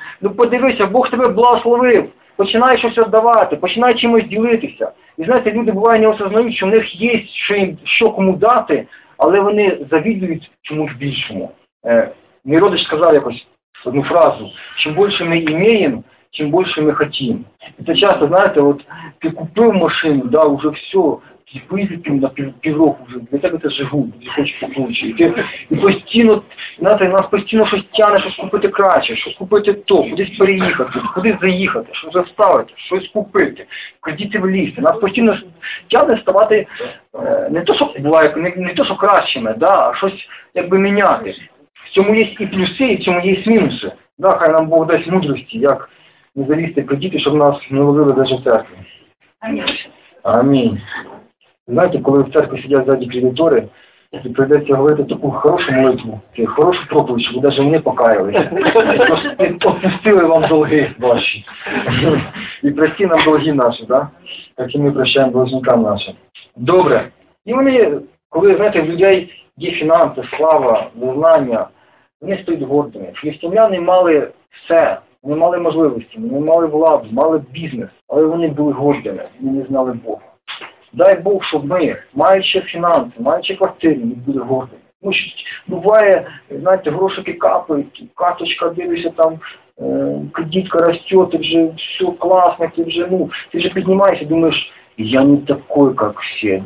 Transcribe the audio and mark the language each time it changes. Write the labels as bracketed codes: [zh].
[uk] Ну, подивися, Бог тебе благословив. Починає щось віддавати, починає чимось ділитися. І знаєте, люди буває не осознають, що в них є що, їм, що кому дати, але вони завідують чомусь більшому. Мій родич сказав якось одну фразу, чим більше ми імеємо, [ru] чем больше мы хотим. Это часто, знаете, вот ты купил машину, да, уже все, ты выпил на пирог уже, для тебя это же губ, ты хочешь получить. И постоянно, знаете, нас постоянно что-то тянет, чтобы купить [uk] краще, [ru] чтобы купить то, куда переехать, куда заехать, что заставить, что купить, ходить в лифт. Нас постоянно тянет ставать не то, что бывает, не то, что [uk] кращими, [ru] да, а что-то как бы менять. В этом есть и плюсы, и в этом есть минусы. Да, [uk] хай нам Бог дасть мудрости, [ru] как не залезть [uk] при дітей, [ru] чтобы нас не ловили даже в церкви. Аминь. Знаете, когда в церкви сидят сзади кредитори, то придется говорить такую хорошую молитву, хорошую проповедь, чтобы даже мне покаялись. Отпустили вам долги ваши. И прости нам долги наши, да? Как и мы прощаем должникам нашим. [uk] Добре. [ru] И вони, когда, знаете, у людей есть финансы, слава, знания, [uk] вони стоять гордими. Єфтіміяни мали все, вони мали можливості, вони мали владу, мали бізнес, але вони були гордими, вони не знали Бога. Дай Бог, щоб ми, маючи фінанси, маючи квартири, не були гордими. Тому що буває, знаєте, грошики капають, карточка дивишся, там кредитка росте, ти вже все класно, ти вже, ну, ти вже піднімаєшся, думаєш, [ru] я не такой, как все.